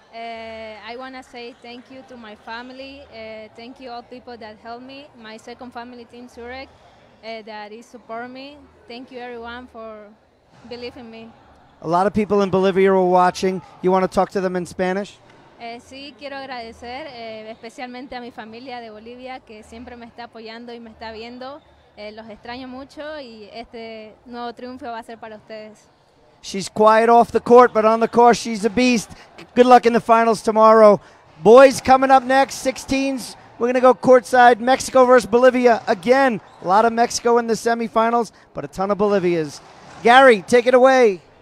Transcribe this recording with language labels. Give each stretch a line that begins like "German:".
English: I want to say thank you to my family. Thank you all people that helped me. My second family, Team Zurich, that is support me. Thank you, everyone, for believing me. A lot of people in Bolivia are watching. You want to talk to them in Spanish?
Spanish: Sí, quiero agradecer especialmente a mi familia de Bolivia que siempre me está apoyando y me está viendo. Los extraño mucho y este nuevo triunfo va a ser para ustedes.
English: She's quiet off the court, but on the court, she's a beast. Good luck in the finals tomorrow. Boys coming up next, 16s. We're going to go courtside. Mexico versus Bolivia again. A lot of Mexico in the semifinals, but a ton of Bolivias. Gary, take it away.